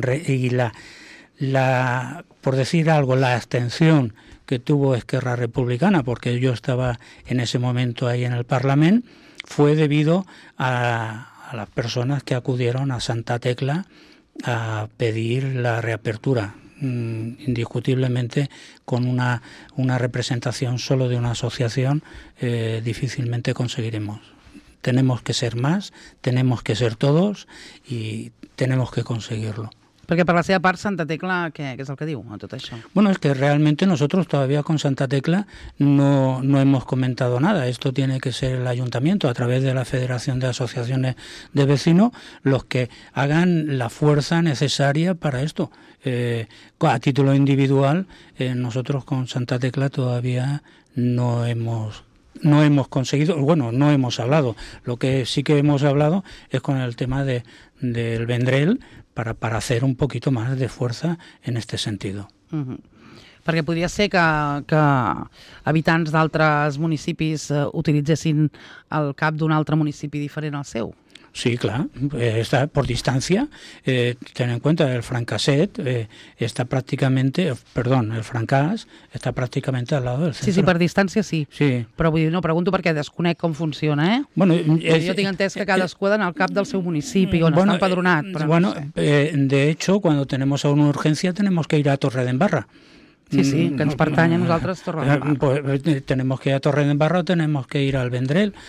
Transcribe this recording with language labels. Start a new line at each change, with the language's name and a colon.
Spanish: Y la por decir algo, la abstención que tuvo Esquerra Republicana, porque yo estaba en ese momento ahí en el Parlament, fue debido a las personas que acudieron a Santa Tecla a pedir la reapertura, indiscutiblemente con una representación solo de una asociación, difícilmente conseguiremos. Tenemos que ser más, tenemos que ser todos y tenemos que conseguirlo.
Catalan: Perquè per la seva part Santa Tecla, què és el que diu a tot això?
Spanish: Bueno, es que realmente nosotros todavía con Santa Tecla no hemos comentado nada. Esto tiene que ser el Ayuntamiento, a través de la Federación de Asociaciones de Vecinos, los que hagan la fuerza necesaria para esto. A título individual, nosotros con Santa Tecla todavía no hemos conseguido, bueno, no hemos hablado. Lo que sí que hemos hablado es con el tema del Vendrell, para hacer un poquito más de fuerza en este sentido.
Catalan: Perquè podria ser que habitants d'altres municipis utilitzessin el cap d'un altre municipi diferent al seu. Sí, clar, està per distància. Tenen en compte, el Francaset està pràcticament, el Francàs està pràcticament
Spanish: al lado
Catalan: del centre. Sí, sí, per distància sí. Sí. Però vull dir, no, pregunto perquè desconec com funciona, eh? Bueno, jo tinc entès que cadascú ha d'anar al cap del seu municipi on està empadronat.
Spanish: Bueno, de hecho, cuando tenemos una urgencia tenemos que ir a Torredembarra.
Catalan: Sí, sí, que ens pertany a nosaltres Torredembarra.
Spanish: Pues tenemos que ir a Torredembarra o tenemos que ir al Vendrell.